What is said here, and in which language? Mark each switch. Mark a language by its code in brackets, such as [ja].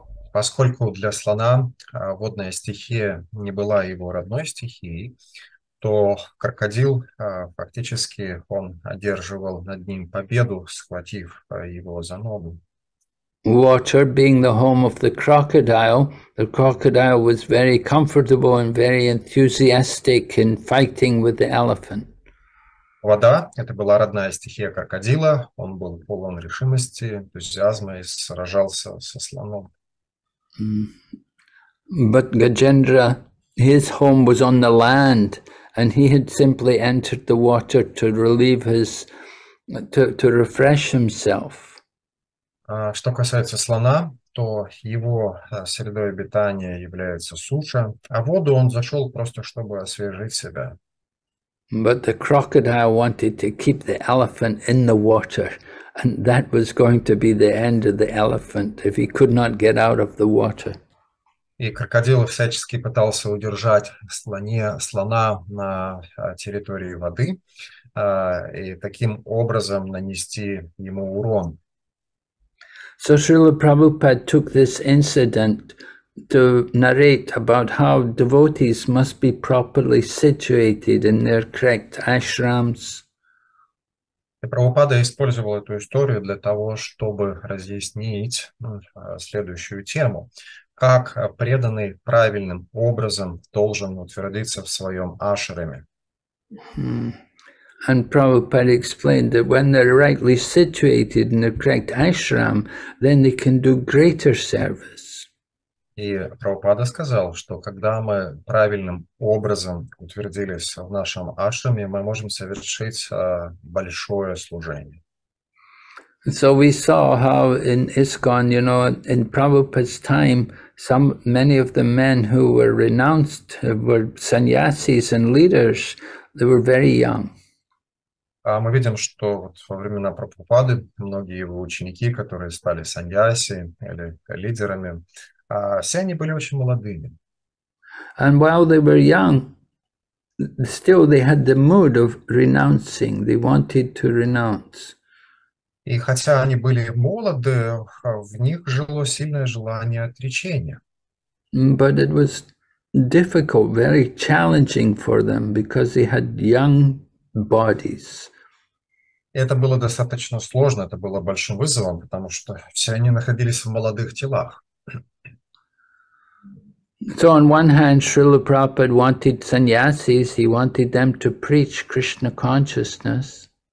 [ru] Поскольку для слона водная стихия не была его родной стихией, то крокодил, фактически, он одерживал над ним победу, схватив его за ногу. [en] Water being the home of the crocodile was very comfortable and very enthusiastic in fighting with the elephant. [ru] Вода – это была родная стихия крокодила, он был полон решимости, энтузиазма и сражался со слоном. [en] But Gajendra, his home was on the land, and he had simply entered the water to relieve his, to refresh himself. [ru] Что касается слона, то его средой обитания является суша, а воду он зашел просто, чтобы освежить себя. [en] But the crocodile wanted to keep the elephant in the water, and that was going to be the end of the elephant if he could not get out of the water. [ru] И крокодил всячески пытался удержать слона на территории воды и таким образом нанести ему урон. [en] So Srila Prabhupada took this incident to narrate about how devotees must be properly situated in their correct ashrams. [ru] И Прабхупада использовал эту историю для того, чтобы разъяснить следующую тему. Как преданный правильным образом должен утвердиться в своем ашраме. [en] And Prabhupada explained that when they're rightly situated in the correct ashram, then they can do greater service. [ru] И Прабхупада сказал, что когда мы правильным образом утвердились в нашем ашраме, мы можем совершить большое служение. [en] So we saw how in ISKCON, you know, in Prabhupada's time, many of the men who were renounced were sannyasis and leaders. They were very young. [ru] Мы видим, что вот во времена Прабхупады многие его ученики, которые стали саньяси или лидерами, все они были очень молодыми. [en] And while they were young, still they had the mood of renouncing. They wanted to renounce. [ru] И хотя они были молоды, в них жило сильное желание отречения. [en] But it was difficult, very challenging for them, because they had young bodies. [ru] Это было достаточно сложно, это было большим вызовом, потому что все они находились в молодых телах. [en] So on one hand, Srila Prabhupada wanted sannyasis, he wanted them to preach Krishna consciousness.